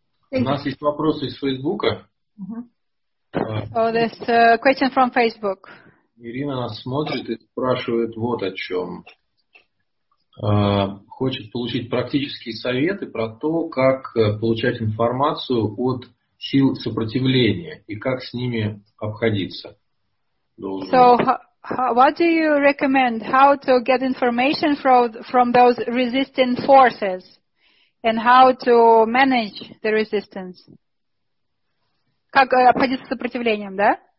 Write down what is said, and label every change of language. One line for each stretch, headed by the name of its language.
Russian: У нас есть вопросы из Фейсбука.
English: Oh, this question from Facebook.
Russian: Ирина нас смотрит и спрашивает вот о чем. Хочет получить практические советы про то, как получать информацию от сил сопротивления и как с ними обходиться.
English: So, what do you recommend? How to get information from those resisting forces and how to manage the resistance?
Russian: Как обходиться сопротивлением, да?